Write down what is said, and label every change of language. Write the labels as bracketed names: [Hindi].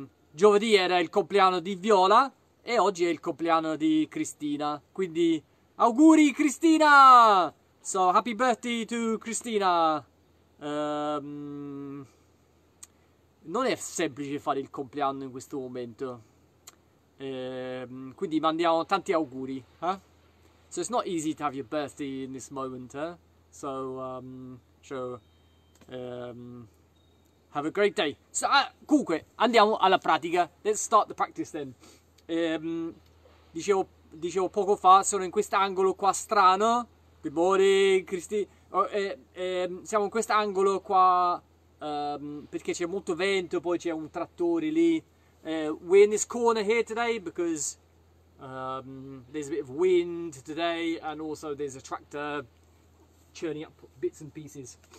[Italian] Giovedì era il compleanno di Viola e oggi è il compleanno di Cristina. Quindi, auguri Cristina! [English] So, happy birthday to Cristina! [Italian] Non è semplice fare il compleanno in questo momento. Quindi mandiamo tanti auguri, eh? [English] So it's not easy to have your birthday in this moment, eh? Have a great day. [Italian] Comunque, andiamo alla pratica. [English] Let's start the practice then. [Italian] Dicevo poco fa, sono in questo angolo qua strano. [English] Good morning, [Italian] Cristi. Siamo in questo angolo qua perché c'è molto vento, poi c'è un trattore lì. [English] We're in this corner here today because there's a bit of wind today, and also there's a tractor churning up bits and pieces.